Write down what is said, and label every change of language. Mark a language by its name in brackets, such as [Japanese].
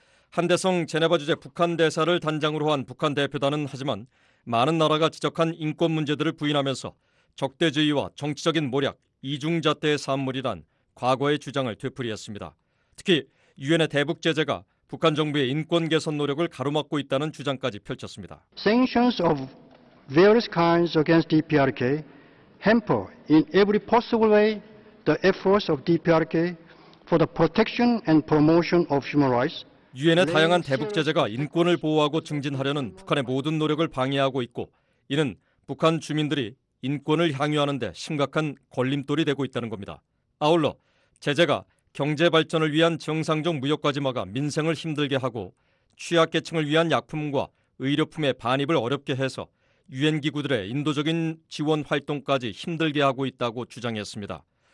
[Korean] 한대성 제네바 주재 북한대사를 단장으로 한 북한 대표단은 하지만 많은 나라가 지적한 인권 문제들을 부인하면서 적대주의와 정치적인 몰약, 이중잣대의 산물이란 과거의 주장을 되풀이했습니다. 특히 유엔의 대북 제재가 북한 정부의 인권 개선 노력을 가로막고 있다는 주장까지 펼쳤습니다. [English] Sanctions of various kinds against DPRK hamper in every possible way the efforts of DPRK for the protection and promotion of human rights. [Korean] 유엔의 다양한 대북 제재가 인권을 보호하고 증진하려는 북한의 모든 노력을 방해하고 있고 이는 북한 주민들이 인권을 향유하는 데 심각한 걸림돌이 되고 있다는 겁니다. 아울러 제재가 경제 발전을 위한 정상적 무역까지 막아 민생을 힘들게 하고 취약계층을 위한 약품과 의료품의 반입을 어렵게 해서 유엔 기구들의 인도적인 지원 활동까지 힘들게 하고 있다고 주장했습니다.